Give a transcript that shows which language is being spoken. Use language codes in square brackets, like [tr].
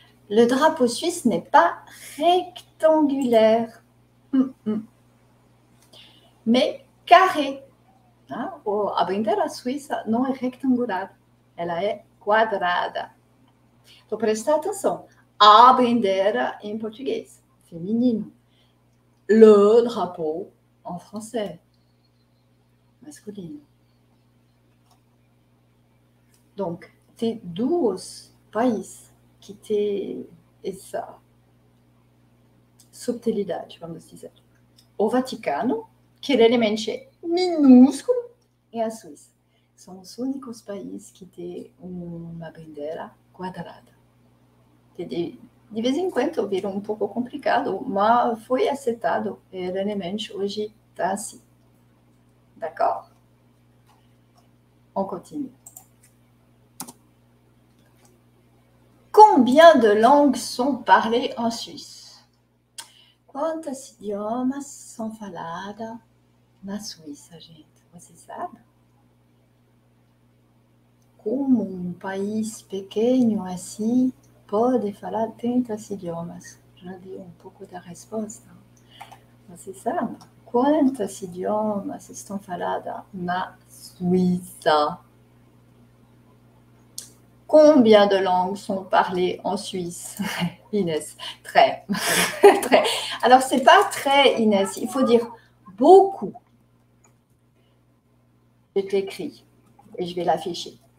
[fr] Le drapeau suisse n'est pas rectangulaire. Mais carré. [pt] A bandeira suíça não é rectangular. Ela é quadrada. Então, presta atenção. A bandeira em português. Feminino. [fr] Le drapeau en français, masculin. Donc, t'es deux pays qui t'es ça, [pt] subtilidade, vamos dizer. O Vaticano, que realmente é minúsculo, e a Suíça. São os únicos países que têm uma bandeira quadrada. De vez em quando virou um pouco complicado, mas foi aceitado realmente hoje está assim. [fr] D'accord? On continue. Combien de langues sont parlées en Suisse? [pt] Quantos idiomas são falados na Suíça, gente? Você sabe? Como um país pequeno assim pode falar tantos idiomas? Já dei um pouco da resposta. Você sabe? Quantos idiomas estão falados na Suíça? [fr] Combien de langues sont parlées en Suisse? Inès, très. Très. Alors, ce n'est pas très, Inès. Il faut dire beaucoup. Je t'écris et je vais l'afficher.